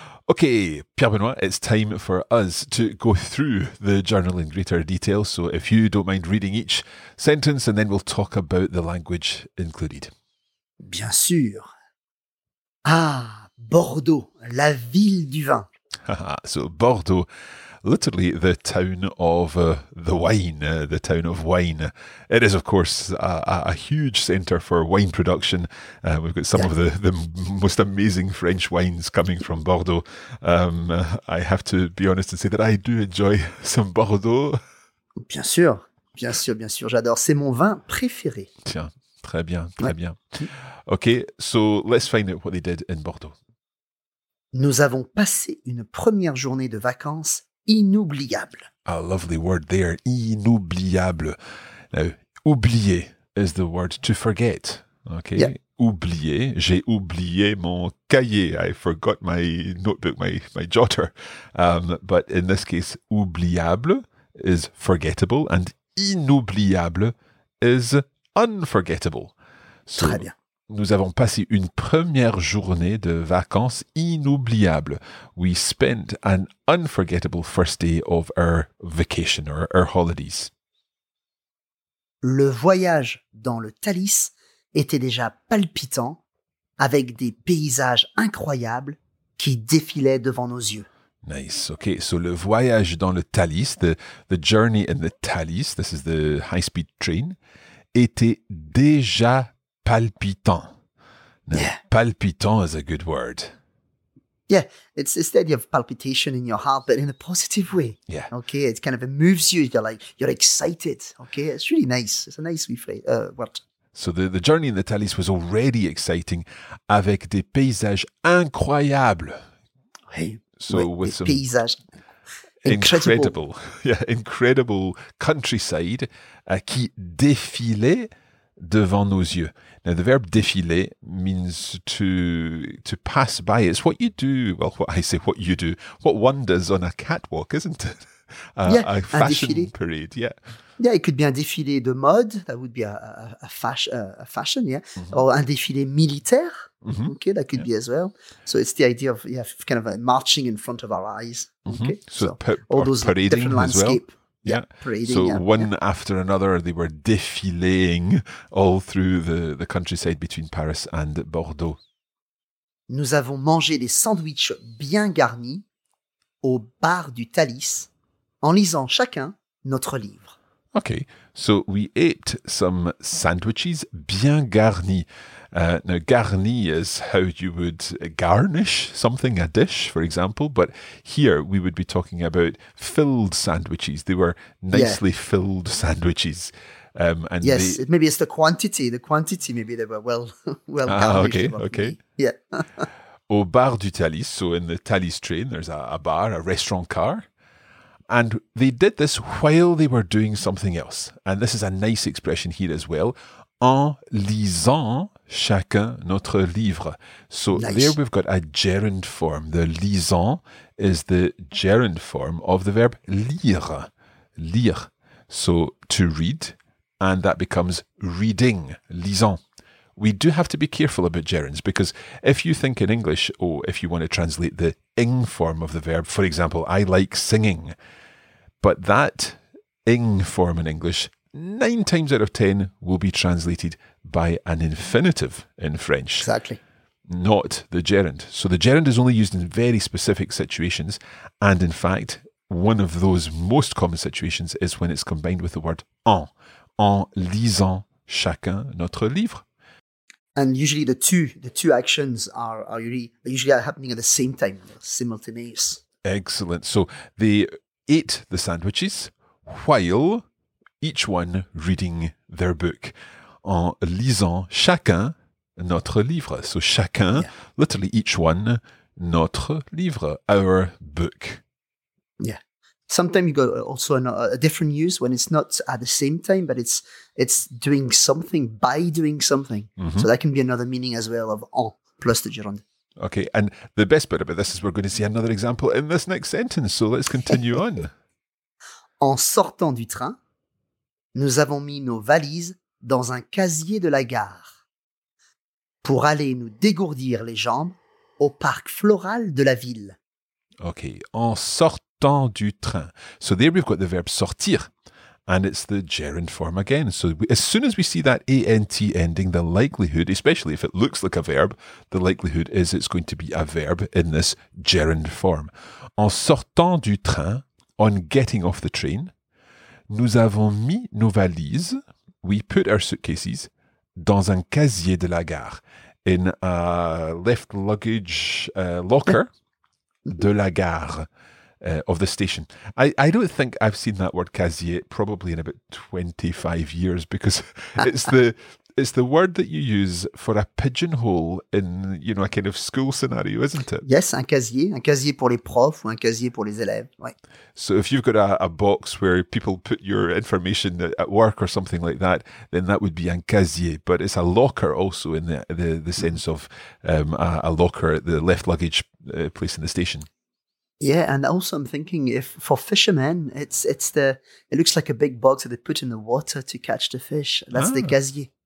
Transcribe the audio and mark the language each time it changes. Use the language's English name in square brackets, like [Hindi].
[English] Okay, Pierre-Benoît, it's time for us to go through the journal in greater detail. So if you don't mind reading each sentence, and then we'll talk about the language included. [French] Bien sûr. Ah, Bordeaux, la ville du vin. [English] So Bordeaux, literally the town of the wine, the town of wine. It is, of course, a huge centre for wine production. We've got some of the most amazing French wines coming from Bordeaux. I have to be honest and say that I do enjoy some Bordeaux. [French] Bien sûr, bien sûr, bien sûr, j'adore. C'est mon vin préféré. Tiens, très bien, très bien. [English] OK, so let's find out what they did in Bordeaux. [French] Nous avons passé une première journée de vacances inoubliable. [English] A lovely word there, inoubliable. Now, oublier is the word to forget. [French] Okay, oublier. J'ai oublié mon cahier. [English] I forgot my notebook, my jotter. But in this case, oubliable is forgettable and inoubliable is unforgettable. [French] So, très bien. Nous avons passé une première journée de vacances inoubliable. [English] We spent an unforgettable first day of our vacation or our holidays. [French] Le voyage dans le Thalys était déjà palpitant avec des paysages incroyables qui défilaient devant nos yeux. [English] Nice. Okay, so [French] le voyage dans le Thalys, [English] the journey in the Thalys, this is the high-speed train, [French] était déjà palpitant. [English] Now, yeah. Palpitant is a good word. Yeah, it's the idea of palpitation in your heart, but in a positive way. Yeah. Okay, it kind of moves you. You're excited. Okay, it's really nice. It's a nice word. So the journey in the Thalys was already exciting, [French] avec des paysages incroyables. [English] Hey. So with some paysages incredible. Incredible. Yeah, incredible countryside, [French] qui défilait devant nos yeux. [English] Now, the verb défiler means to pass by. It's what you do. Well, what I say, what you do. What one does on a catwalk, isn't it? Yeah, a fashion défilé. Parade, yeah. Yeah, it could be [French] un défilé de mode. [English] That would be a fashion, yeah. Mm-hmm. Or [French] un défilé militaire. [English] Mm-hmm. Okay, that could be as well. So it's the idea of, kind of a marching in front of our eyes. Mm-hmm. Okay, so all those parading different landscape. As well. Yeah, one after another, they were défiling all through the countryside between Paris and Bordeaux. [French] Nous avons mangé des sandwichs bien garnis au bar du Thalys en lisant chacun notre livre. [English] Okay, so we ate some sandwiches bien garnis. Now, garni is how you would garnish something, a dish, for example. But here we would be talking about filled sandwiches. They were nicely filled sandwiches. And yes, maybe it's the quantity. The quantity, maybe they were well garnished. Okay. Yeah. [French] Au bar du Thalys, [English] so in the Thalys train, there's a bar, a restaurant car. And they did this while they were doing something else. And this is a nice expression here as well. [French] En lisant chacun notre livre. [English] So there we've got a gerund form. The lisant is the gerund form of the verb lire. Lire. So to read, and that becomes reading, lisant. We do have to be careful about gerunds, because if you think in English, if you want to translate the ing form of the verb, for example, I like singing. But that ing form in English, 9 times out of 10, will be translated by an infinitive in French. Exactly. Not the gerund. So the gerund is only used in very specific situations. And in fact, one of those most common situations is when it's combined with the word en. [French] En lisant chacun notre livre. [English] And usually the two actions are usually happening at the same time, simultaneous. Excellent. So they ate the sandwiches while each one reading their book. [French] En lisant chacun notre livre. [English] So chacun, literally each one, [French] notre livre, [English] our book. Yeah. Sometimes you got also a different use when it's not at the same time, but it's doing something by doing something. Mm-hmm. So that can be another meaning as well of [French] en plus de gérande. [English] Okay, and the best part about this is we're going to see another example in this next sentence. So let's continue on. [French] En sortant du train, nous avons mis nos valises dans un casier de la gare pour aller nous dégourdir les jambes au parc floral de la ville. Okay, en sortant du train. [English] So there we've got the verb sortir, and it's the gerund form again. So as soon as we see that ant ending, the likelihood, especially if it looks like a verb, the likelihood is it's going to be a verb in this gerund form. [French] En sortant du train, [English] on getting off the train, [French] nous avons mis nos valises, [English] we put our suitcases, [French] dans un casier de la gare, [English] in a left luggage locker [French] de la gare, [English] of the station. I don't think I've seen that word casier probably in about 25 years, because it's the word that you use for a pigeonhole in, you know, a kind of school scenario, isn't it? [French] Yes, un casier pour les profs ou un casier pour les élèves, ouais. [English] So if you've got a box where people put your information at work or something like that, then that would be un casier. But it's a locker also in the sense of a locker, the left luggage place in the station. Yeah, and also I'm thinking if for fishermen, it looks like a big box that they put in the water to catch the fish. That's the casier.